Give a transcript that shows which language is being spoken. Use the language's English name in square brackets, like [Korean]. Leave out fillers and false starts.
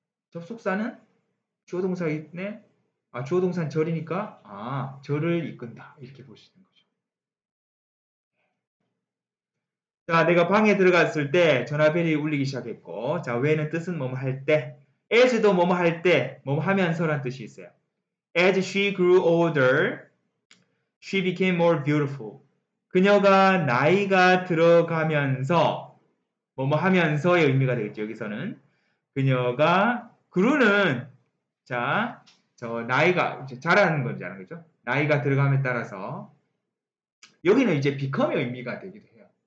[Korean] 접속사는 주어동사이네. 주어동사는 절이니까 절을 이끈다. 이렇게 보시는 거죠. 자, 내가 방에 들어갔을 때 전화벨이 울리기 시작했고 자, 왜는 뜻은 뭐뭐 할 때 as도 뭐뭐 할 때 뭐뭐 하면서란 뜻이 있어요. [English] As she grew older, she became more beautiful. [Korean] 그녀가 나이가 들어가면서 뭐뭐 하면서의 의미가 되겠죠. 여기서는 그녀가 grew는 자, 저 나이가 이제 자라는 건지 아는 거죠. 나이가 들어감에 따라서 여기는 이제 become의 의미가 되기도 해요.